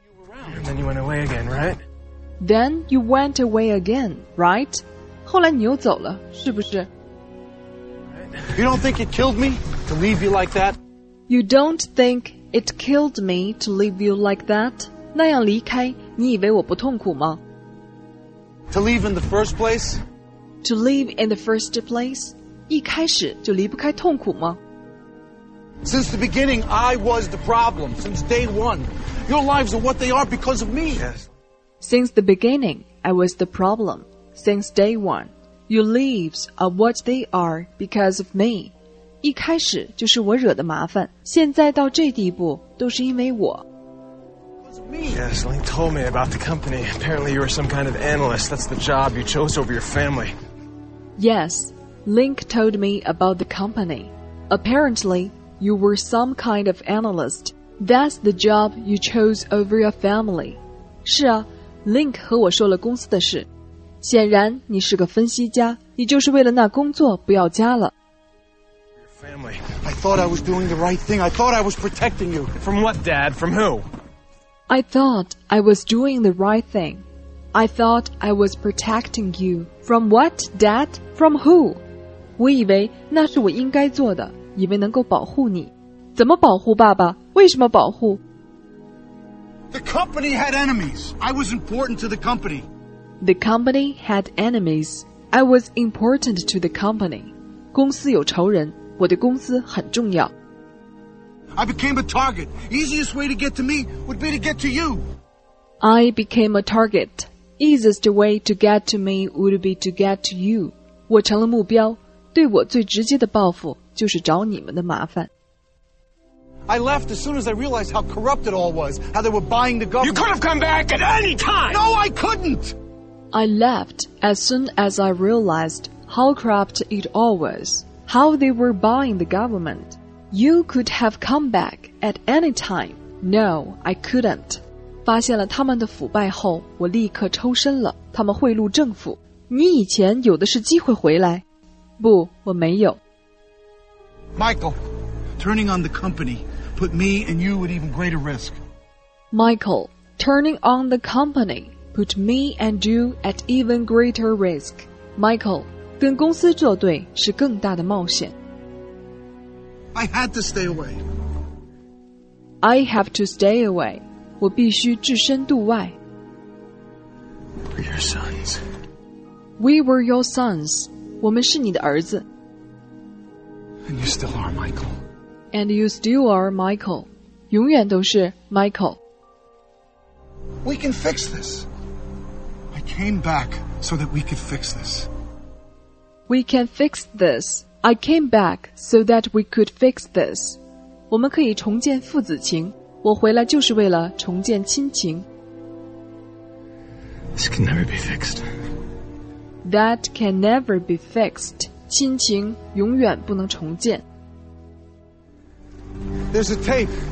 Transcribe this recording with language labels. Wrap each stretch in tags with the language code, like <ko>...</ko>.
<en>And then you went away again, right? Then you went away again, right?</en> <zh>后来你又走了，是不是？</zh> <en>You don't think it killed me to leave you like that? You don't think it killed me to leave you like that?</en> <zh>那样离开，你以为我不痛苦吗？</zh> <en>To leave in the first place? To leave in the first place?</en> <zh>一开始就离不开痛苦吗？</zh> <en>Since the beginning, I was the problem. Since day one. Your lives are what they are because of me. Yes. Since the beginning, I was the problem. Since day one. Your lives are what they are because of me.</en> <zh>一开始就是我惹的麻烦，现在到这地步都是因为我。</zh> <en>Yes, Link told me about the company. Apparently you were some kind of analyst. That's the job you chose over your family. Yes, Link told me about the company. Apparently... You were some kind of analyst. That's the job you chose over your family.</en> <zh>是啊 ,Link 和我说了公司的事。显然你是个分析家，你就是为了那工作不要家了。</zh> <en>Your family. I thought I was doing the right thing. I thought I was protecting you. From what, Dad? From who? I thought I was doing the right thing. I thought I was protecting you. From what, Dad? From who?</en> <zh>我以为那是我应该做的。以为能够保护你，怎么保护爸爸？为什么保护</zh> <en>？The company had enemies. I was important to the company. The company had enemies. I was important to the company.</en> <zh>公司有仇人，我对公司很重要。</zh> <en>I became a target. Easiest way to get to me would be to get to you. I became a target. Easiest way to get to me would be to get to you.</en> <zh>我成了目标，对我最直接的报复。就是找你们的麻烦。</zh> <en>I left as soon as I realized how corrupt it all was, how they were buying the government. You could have come back at any time! No, I couldn't! I left as soon as I realized how corrupt it all was, how they were buying the government. You could have come back at any time. No, I couldn't.</en> <zh>发现了他们的腐败后，我立刻抽身了。他们贿赂政府。你以前有的是机会回来。不，我没有。</zh> <en>Michael, turning on the company put me and you at even greater risk. Michael, turning on the company put me and you at even greater risk.</en> <zh>Michael, 跟公司作对是更大的冒险。</zh> <en>I had to stay away. I have to stay away.</en> <zh>我必须置身度外。</zh> <en>We're your sons. We were your sons.</en> <zh>我们是你的儿子。</zh> <en>And you still are, Michael. And you still are, Michael.</en> <zh>永远都是 Michael.</zh> <en>We can fix this. I came back so that we could fix this. We can fix this. I came back so that we could fix this.</en> <zh>我们可以重建父子情。我回来就是为了重建亲情。</zh> <en>This can never be fixed. That can never be fixed.</en> <zh>亲情永远不能重建。</zh> <en>There's a tape.</en>